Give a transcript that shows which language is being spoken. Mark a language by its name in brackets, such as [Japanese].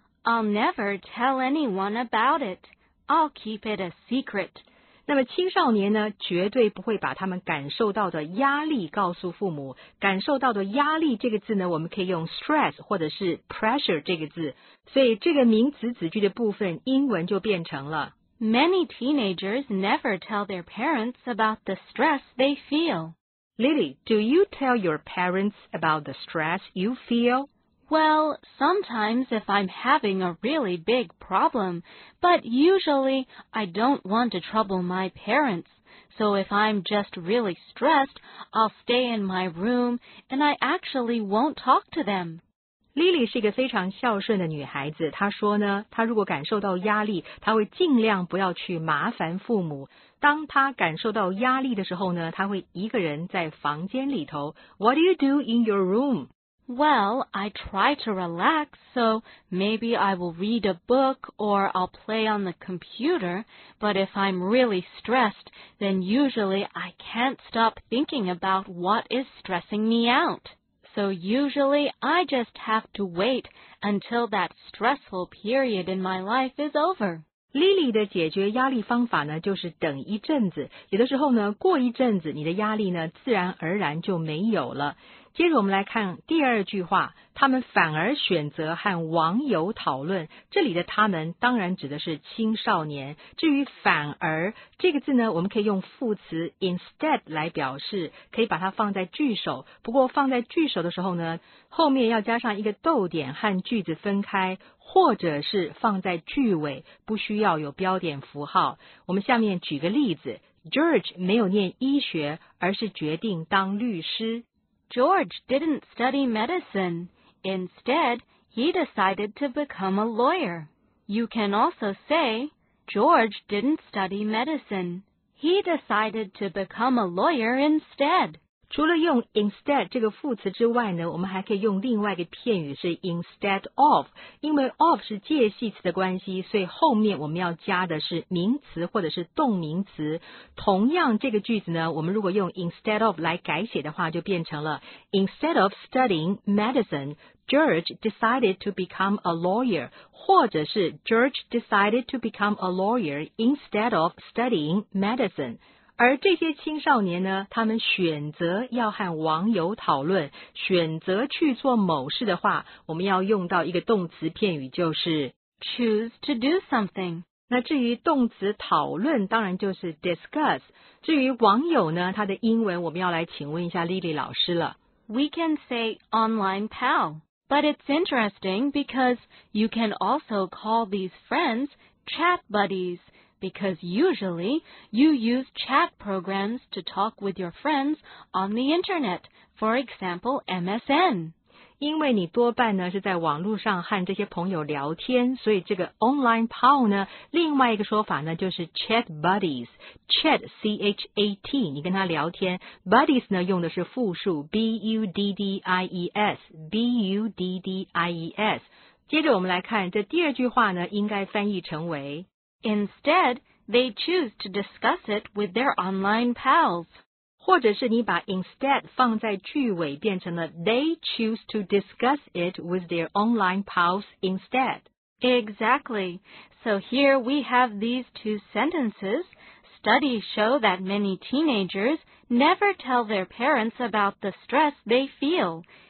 [English] I'll never tell anyone about it. I'll keep it a secret. [Chinese] 那么青少年呢，绝对不会把他们感受到的压力告诉父母。感受到的压力这个字呢，我们可以用 stress 或者是 pressure 这个字，所以这个名词子句的部分英文就变成了 [English] Many teenagers never tell their parents about the stress they feel. Lily, do you tell your parents about the stress you feel? Well, sometimes if I'm having a really big problem, but usually I don't want to trouble my parents. So if I'm just really stressed, I'll stay in my room and I actually won't talk to them. [Chinese] Lily 是一个非常孝顺的女孩子，她说呢，她如果感受到压力，她会尽量不要去麻烦父母。当她感受到压力的时候呢，她会一个人在房间里头。 [English] What do you do in your room? Well, I try to relax, so maybe I will read a book or I'll play on the computer, but if I'm really stressed, then usually I can't stop thinking about what is stressing me out. So usually I just have to wait until that stressful period in my life is over. [Chinese] Lily 的解决压力方法呢，就是等一阵子，有的时候呢，过一阵子你的压力呢，自然而然就没有了。接着我们来看第二句话，他们反而选择和网友讨论。这里的他们当然指的是青少年。至于反而这个字呢，我们可以用副词 instead 来表示，可以把它放在句首。不过放在句首的时候呢，后面要加上一个逗点和句子分开，或者是放在句尾，不需要有标点符号。我们下面举个例子， George 没有念医学，而是决定当律师。 [English] George didn't study medicine. Instead, he decided to become a lawyer. You can also say, George didn't study medicine. He decided to become a lawyer instead. [Chinese] 除了用 instead 这个副词之外呢，我们还可以用另外一个片语是 instead of. 因为 of 是介系词的关系，所以后面我们要加的是名词或者是动名词。同样这个句子呢，我们如果用 [English] instead of [Chinese] 来改写的话，就变成了 [English] instead of studying medicine, George decided to become a lawyer, [Chinese] 或者是 [English] George decided to become a lawyer instead of studying medicine. [Chinese] 而这些青少年呢，他们选择要和网友讨论，选择去做某事的话，我们要用到一个动词片语，就是 [English] choose to do something。 [Chinese] 那至于动词讨论，当然就是 discuss。至于网友呢，它的英文我们要来请问一下莉莉老师了。 [English] We can say online pal, but it's interesting because you can also call these friends chat buddies. Because usually, you use chat programs to talk with your friends on the internet, for example, MSN. [Chinese] 因为你多半呢是在网络上和这些朋友聊天，所以这个 online pal 呢，另外一个说法呢就是 chat buddies. Chat, C-H-A-T, 你跟他聊天。 Buddies 呢用的是复数 B-U-D-D-I-E-S, B-U-D-D-I-E-S. 接着我们来看这第二句话呢，应该翻译成为 [English] Instead, they choose to discuss it with their online pals. [Chinese] 或者是你把 [English] instead [Chinese] 放在句尾变成了 [English] they choose to discuss it with their online pals instead. Exactly. So here we have these two sentences. Studies show that many teenagers never tell their parents about the stress they feel.